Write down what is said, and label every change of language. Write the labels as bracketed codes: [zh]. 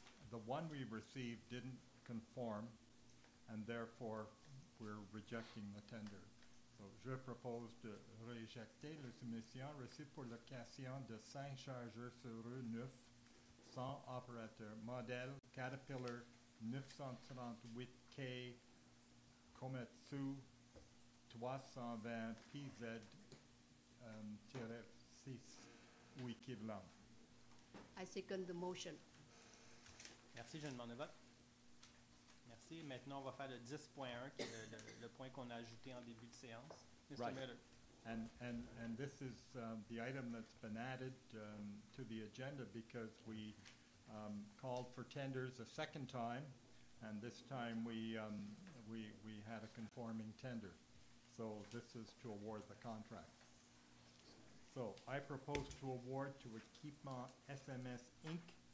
[en] The one we received didn't conform, and therefore we're rejecting the tender. [fr] So je propose de rejeter la soumission reçue pour location de 5 chargeurs sur rue neuf sans opérateur, modèle Caterpillar 938K Komatsu 320PZ-6 ou équivalent. [en] I second the motion. [fr] Merci, je demande le vote. Merci. Maintenant, on va faire le 10.1, qui est le point qu'on a ajouté en début de séance. [en] Mr. Miller. And this is the item that's been added to the agenda because we called for tenders a second time, and this time we had a conforming tender. So this is to award the contract. So I propose to award to Equipma SMS Inc.